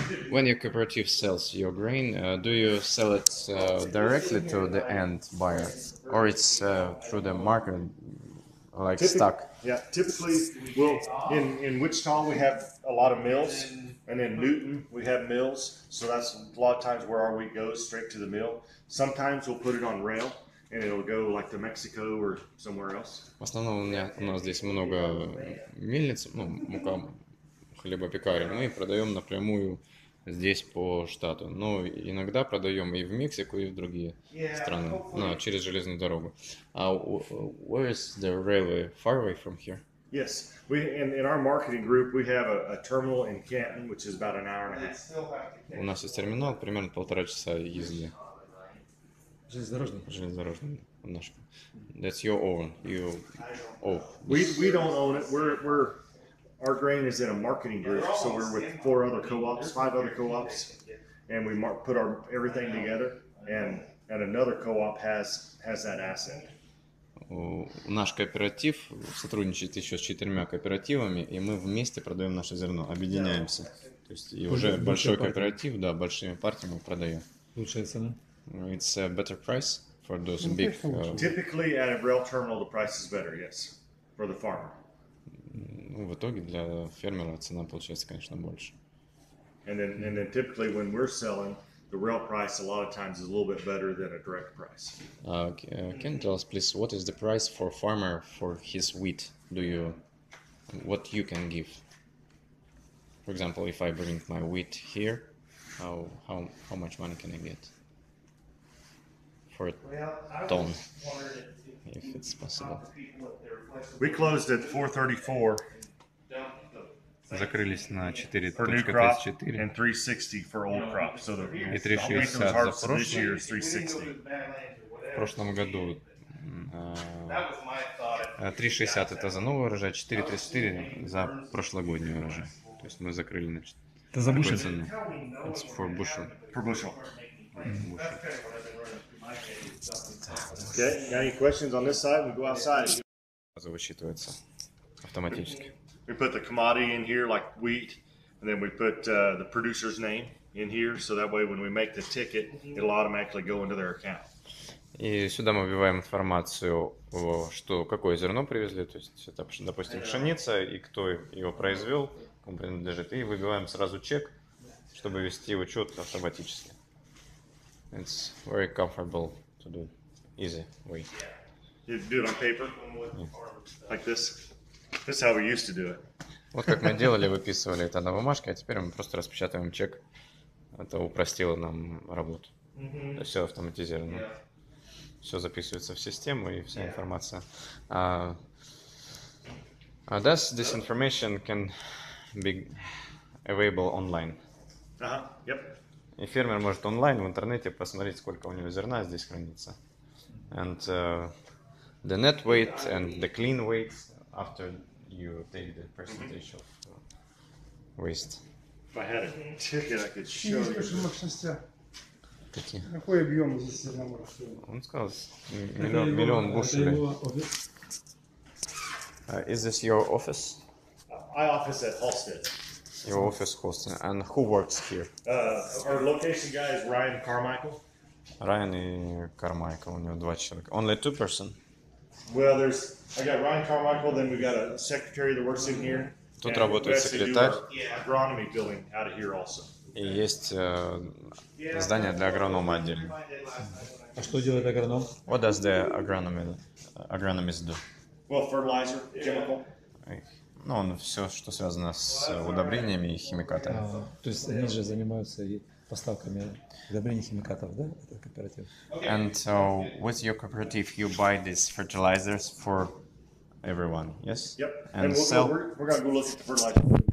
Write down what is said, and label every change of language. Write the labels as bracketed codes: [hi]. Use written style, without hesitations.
[en] When your cooperative sells your grain, do you sell it directly to the end buyer, or it's through the market, like stock? Yeah, typically, well, in Wichita we have a lot of mills, and in Newton we have mills, so that's a lot of times where our wheat goes, straight to the mill. Sometimes we'll put it on rail, and it'll go like to Mexico or somewhere else. [ru] В основном у нас здесь много мельниц, ну, мука, хлебопекарь, мы продаем напрямую здесь по штату, но иногда продаем и в Мексику, и в другие страны, ну, через железную дорогу. [en] Where is the railway? Far away from here? Yes, we in our marketing group we have a terminal in Canton, which is about an hour and a half. [ru] У нас есть терминал примерно полтора часа езды. Железнодорожный. Железнодорожный. [en] That's your own. You. Oh. We don't own it. We're Our grain is in a marketing group, so we're with five other co-ops, and we put our everything together, and another co-op has that asset. [ru] Наш кооператив сотрудничает еще с четырьмя кооперативами, и мы вместе продаем наше зерно, объединяемся. То есть и уже большой кооператив, да, большими партиями продаем. Лучшая цена. [en] It's a better price for those big. Typically, at a rail terminal, the price is better. Yes, for the farmer. [ru] Ну, в итоге для фермера цена получается, конечно, больше. [en] And then typically when we're selling, the rail price a lot of times is a little bit better than a direct price. Can you tell us, please, what is the price for a farmer for his wheat? What you can give? For example, if I bring my wheat here, how much money can I get for a ton? If it's possible. We closed at 434. [ru] Закрылись на 4.34. [en] And 360 for old crop. So the wheat was harvested this year is 360. [ru] В прошлом году 3.60 это за новый урожай, 4.34 за прошлогодний урожай. То есть мы закрыли на 4. Это за бушел? [en] It's for bushel. For bushel. Bushel. Okay, any questions on this side? We go outside. [ru] Сразу высчитывается автоматически. [en] We put the commodity in here, like wheat, and then we put the producer's name in here, so that way when we make the ticket, it'll automatically go into their account. [ru] И сюда мы вбиваем информацию, что какое зерно привезли, то есть это, допустим, пшеница, и кто его произвел, кому принадлежит, и выбиваем сразу чек, чтобы вести учет автоматически. [en] It's very comfortable to do, easy way. You do it on paper, like this. This is how we used to do it. [ru] Вот как мы делали, выписывали это на бумажке, а теперь мы просто распечатываем чек. Это упростило нам работу. Mm-hmm. Все автоматизировано. Yeah. Все записывается в систему и вся информация. [en] Thus, this information can be available online. Ага, yep. [ru] И фермер может онлайн в интернете посмотреть, сколько у него зерна здесь хранится. [en] And the net weight and the clean weight after you take the percentage of waste. If I had a ticket, I could show you. [ru] Какие же мощности? Какие? Какой объем здесь зерна может быть? Он сказал, миллион бушелей. [en] Is this your office? I office at Halstead. Your office, Halstead. And who works here? Our location guy is Ryan Carmichael. [ru] Ryan и Carmichael, у него два человека. [en] Only two person? Well, I got Ryan Carmichael, then we got a secretary that works in here. [ru] Тут работает секретарь. [en] Agronomy building out of here also. [ru] И есть здание для агронома отдельно. А что делает агроном? [en] What does the agronomist do? Well, fertilizer, chemical. [ru] Ну, он все, что связано с удобрениями и химикатами. То есть они же занимаются и поставками удобрений и химикатов, да, это кооператив? [en] And so, with your cooperative, you buy these fertilizers for everyone, yes? Yep. And sell? We're going to go look at the fertilizer.